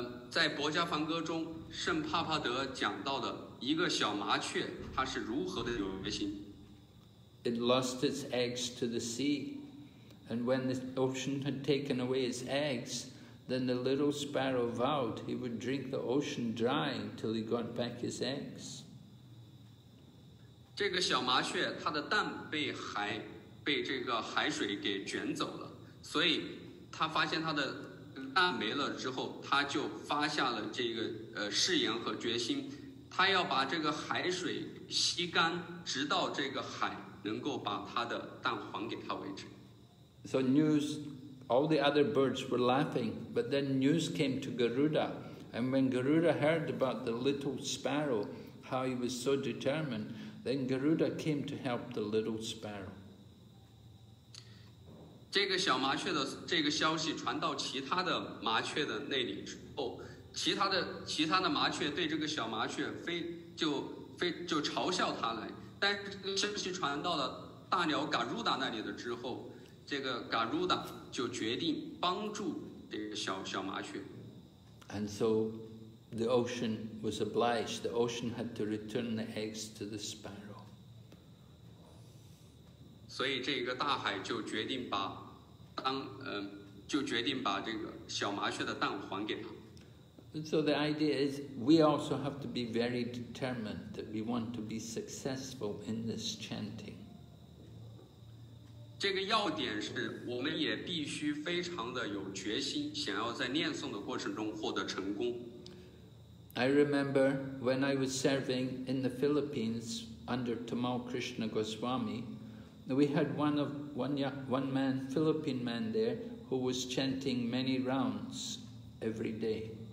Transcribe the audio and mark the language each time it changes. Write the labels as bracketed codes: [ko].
[zh] 在博迦梵歌中，圣帕帕德讲到的一个小麻雀，它是如何的有决心。 [en] It lost its eggs to the sea, and when the ocean had taken away its eggs, then the little sparrow vowed he would drink the ocean dry till he got back his eggs. [zh] 这个小麻雀，它的蛋被这个海水给卷走了，所以它发现它的。蛋没了之后，他就发下了这个誓言和决心，他要把这个海水吸干，直到这个海能够把他的蛋还给他为止。 [en] So news, all the other birds were laughing, but then news came to Garuda, and when Garuda heard about the little sparrow, how he was so determined, then Garuda came to help the little sparrow. [zh] 这个小麻雀的这个消息传到其他的麻雀的那里之后，其他的麻雀对这个小麻雀就嘲笑它来。但消息传到了大鸟嘎鲁达那里的之后，这个嘎鲁达就决定帮助这个小麻雀。 [en] And so the ocean was obliged. The ocean had to return the eggs to the sparrow. [zh] 所以这个大海就决定把这个小麻雀的蛋还给他。 [en] So the idea is we also have to be very determined that we want to be successful in this chanting. [zh] 这个要点是我们也必须非常的有决心想要在念诵的过程中获得成功。 [en] I remember when I was serving in the Philippines under Tamal Krishna Goswami, we had one man, Philippine man there, who was chanting many rounds every day.